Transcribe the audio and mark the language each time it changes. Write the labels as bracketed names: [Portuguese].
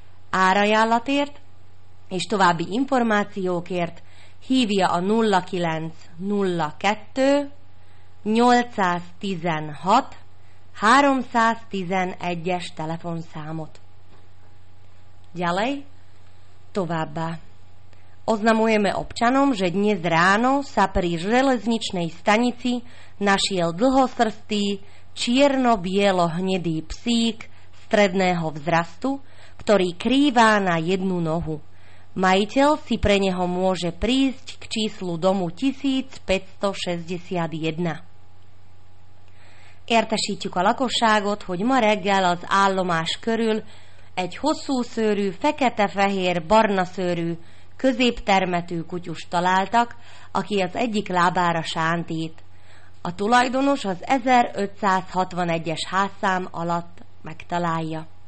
[Hungarian] Árajánlatért és további információkért hívja a 0902 816 311-es telefonszámot. [Slovak] Ďalej, [Hungarian] továbbá. [Slovak] Oznamujeme občanom, že dnes ráno sa pri železničnej stanici našiel dlhosrstý, čierno-bielo-hnedý psík stredného vzrastu, ktorý krývá na jednu nohu. Majiteľ si pre neho môže prísť k číslu domu 1561. [Hungarian] Értesítjük a lakosságot, hogy ma reggel az állomás körül egy hosszú szőrű, fekete-fehér, barna szőrű, középtermetű kutyust találtak, aki az egyik lábára sántít. A tulajdonos az 1561-es házszám alatt megtalálja.